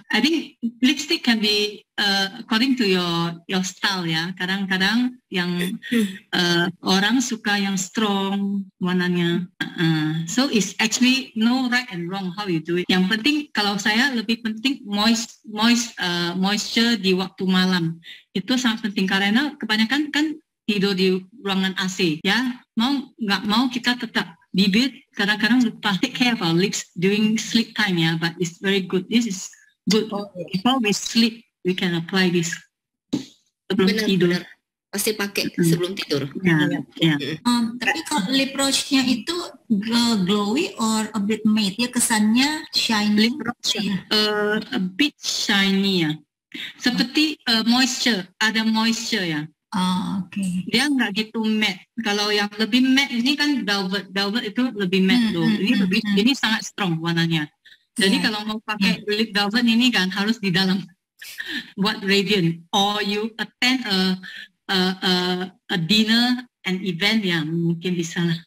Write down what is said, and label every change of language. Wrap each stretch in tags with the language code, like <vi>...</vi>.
<en>I think lipstick can be according to your style ya.</en> <id>Kadang-kadang yang orang suka yang strong warnanya.</id> <en>So it's actually no right and wrong how you do it.</en> <id>Yang penting, kalau saya lebih penting moisture di waktu malam. Itu sangat penting, karena kebanyakan kan tidur di ruangan AC, ya. Mau nggak mau kita tetap bibir, kadang-kadang lupa</id> <en>take care of our lips during sleep time, ya. But it's very good. This is good. Okay. Before we sleep, we can apply this</en> <id>sebelum tidur. Pasti pakai sebelum tidur. Tapi kalau lip rouge-nya itu glowy</id> <en>or a bit matte?</en> <id>Ya, kesannya shiny. Lip rouge,</id> <en>a bit shiny,</en> <id>ya. Seperti moisture, ada moisture, ya. Oke. Dia nggak gitu matte. Kalau yang lebih matte ini kan velvet itu lebih matte loh. Ini sangat strong warnanya. Jadi kalau mau pakai lip velvet ini kan harus di dalam buat radiant.</id> <en>Or you attend a dinner and event ya,</en> <id>mungkin bisa lah.</id>